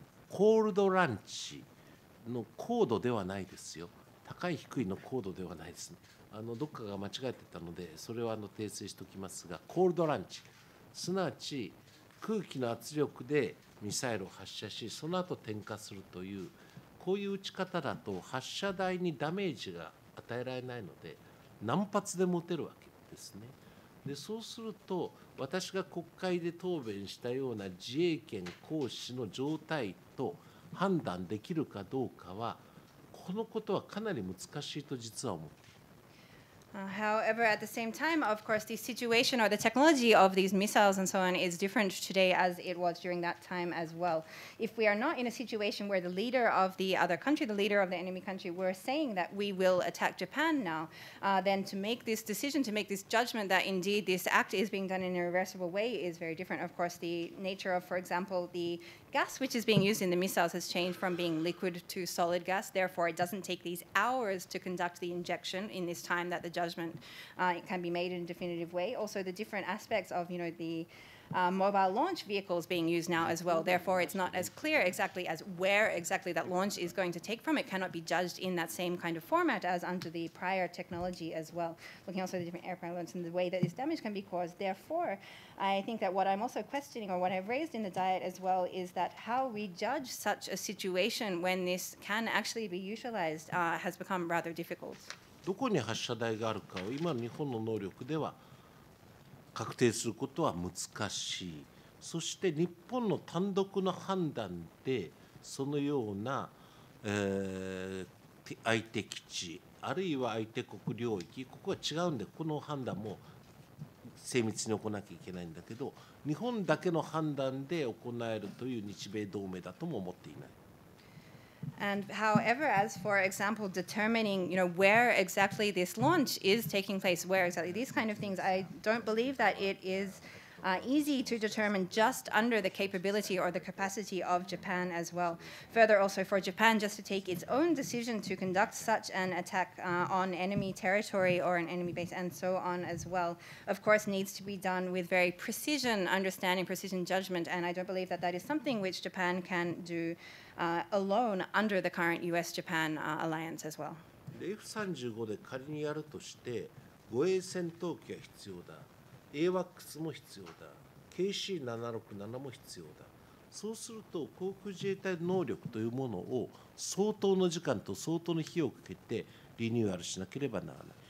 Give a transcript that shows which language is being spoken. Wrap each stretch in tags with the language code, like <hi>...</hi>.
<ja>コールドランチの高度ではないですよ、高い低いの高度ではないですね、どっかが間違えてたので、それは訂正しておきますが、コールドランチ、すなわち空気の圧力でミサイルを発射し、その後点火するという、こういう撃ち方だと発射台にダメージが与えられないので、何発でも撃てるわけですね。でそうすると、私が国会で答弁したような自衛権行使の状態と判断できるかどうかは、このことはかなり難しいと実は思っています。</ja> <en>However, at the same time, of course, the situation or the technology of these missiles and so on is different today as it was during that time as well. If we are not in a situation where the leader of the other country, the leader of the enemy country, were saying that we will attack Japan now, then to make this decision, to make this judgment that indeed this act is being done in a reversible way is very different. Of course, the nature of, for example, the gas which is being used in the missiles has changed from being liquid to solid gas. Therefore, it doesn't take these hours to conduct the injection in this time that the judgment judgment can be made in a definitive way. Also, the different aspects of, you know, the mobile launch vehicles being used now as well. Therefore, it's not as clear exactly as where exactly that launch is going to take from. It cannot be judged in that same kind of format as under the prior technology as well. Looking also at the different airplane launches and the way that this damage can be caused. Therefore, I think that what I'm also questioning, or what I've raised in the diet as well, is that how we judge such a situation when this can actually be utilized has become rather difficult.</en> <ja>どこに発射台があるかを今日本の能力では確定することは難しい。そして日本の単独の判断でそのような、相手基地あるいは相手国領域、ここは違うんで、この判断も精密に行わなきゃいけないんだけど、日本だけの判断で行えるという日米同盟だとも思っていない。</ja> <en>And however, as for example, determining, you know, where exactly this launch is taking place, where exactly these kind of things, I don't believe that it is easy to determine just under the capability or the capacity of Japan as well. Further, also for Japan just to take its own decision to conduct such an attack on enemy territory or an enemy base and so on as well, of course, needs to be done with very precision understanding, precision judgment. And I don't believe that that is something which Japan can do alone under the current US-Japan alliance as well.</en> <ja>F-35 で仮にやるとして、護衛戦闘機は必要だ。 AWACS も必要だ。KC-767 も必要だ。そうすると、航空自衛隊の能力というものを相当の時間と相当の費用をかけてリニューアルしなければならない。</ja>